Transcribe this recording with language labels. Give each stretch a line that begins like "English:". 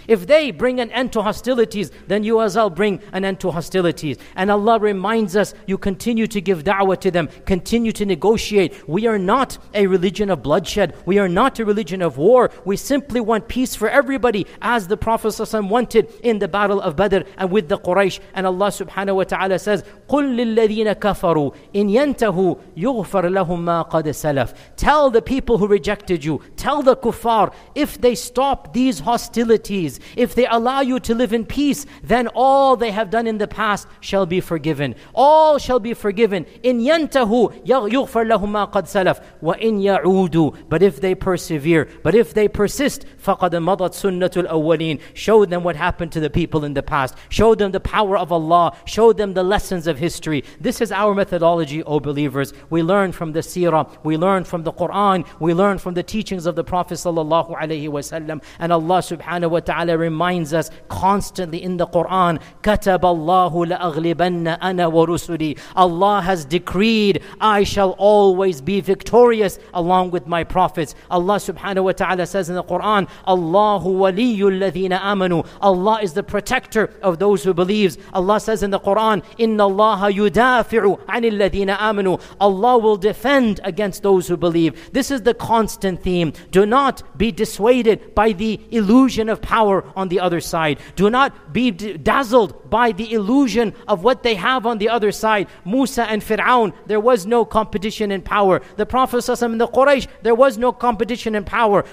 English: If they bring an end to hostilities, then you as well bring an end to hostilities. And Allah reminds us, you continue to give da'wah to them. Continue to negotiate. We are not a religion of bloodshed. We are not a religion of war. We simply want peace for everybody, as the Prophet wanted in the battle of Badr and with the Quraysh. And Allah subhanahu wa ta'ala says,
Arabic: قُلْ لِلَّذِينَ كَفَرُوا إِنْ يَنْتَهُوا يُغْفَرْ لَهُمْ مَا قَدْ سَلَفْ.
English: Tell the people who rejected you, tell the kuffar, if they stop these hostilities, if they allow you to live in peace, then all they have done in the past shall be forgiven. All shall be forgiven.
Arabic: إِنْ يَنْتَهُوا يُغْفَرْ لَهُمْ مَا قَدْ سَلَفْ وَإِنْ يَعُودُوا.
English: But if they persevere, but if they persist,
Arabic: فَقَدْ مَضَتْ سُنَّةُ الْأَوَّلِينَ.
English: Show them what happened to the people in the past. Show them the power of Allah. Show them the lessons of history. This is our methodology, O believers. We learn from the seerah. We learn from the Quran. We learn learn from the teachings of the Prophet sallallahu alaihi wasallam. And Allah subhanahu wa ta'ala reminds us constantly in the Quran,
Arabic: كَتَبَ اللَّهُ لَأَغْلِبَنَّ أَنَا وَرُسُلِي.
English: Allah has decreed, I shall always be victorious along with my prophets. Allah subhanahu wa ta'ala says in the Quran,
Arabic: اللَّهُ وَلِيُّ الَّذِينَ آمَنُوا.
English: Allah is the protector of those who believes. Allah says in the Quran,
Arabic: إِنَّ اللَّهَ يُدَافِعُ عَنِ الَّذِينَ آمَنُوا.
English: Allah will defend against those who believe. This is the constant theme. Do not be dissuaded by the illusion of power on the other side. Do not be dazzled by the illusion of what they have on the other side. Musa and Fir'aun, there was no competition in power. The Prophet ﷺ and the Quraysh, there was no competition in power.